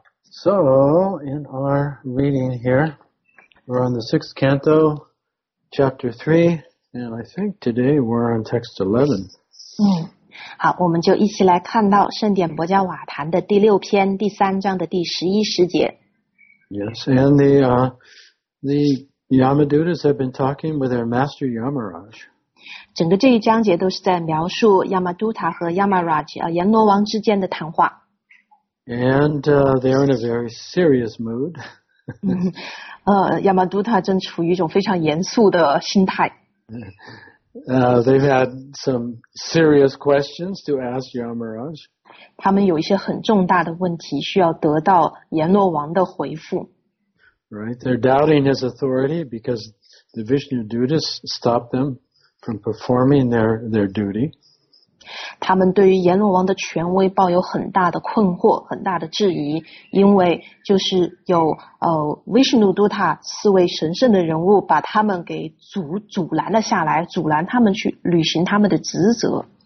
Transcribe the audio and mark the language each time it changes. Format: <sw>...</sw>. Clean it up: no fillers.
<en>So, in our reading here, we're on the sixth canto, chapter 3, and I think today we're on text 11.</en> <zh>好，我们就一起来看到圣典伯加瓦坛的第六篇第三章的第十一十节。</zh> <en>Yes, and the Yamadutas have been talking with their master Yamaraj.</en> <zh>整个这一章节都是在描述 Yamaduta 和 Yamaraj 阎罗王之间的谈话。</zh> <en>And they are in a very serious mood.</en> <zh>Yamaduta 正处于一种非常严肃的心态。</zh> <en>They've had some serious questions to ask Yamaraj.</en> <zh>他们有一些很重大的问题需要得到阎罗王的回复。</zh> <en>Right, they're doubting his authority because the Vishnu Dutas stopped them from performing their duty.</en> <zh>他们对于阎罗王的权威抱有很大的困惑，很大的质疑，因为就是有Vishnu Duta四位神圣的人物把他们给阻拦了下来，阻拦他们去履行他们的职责。</zh>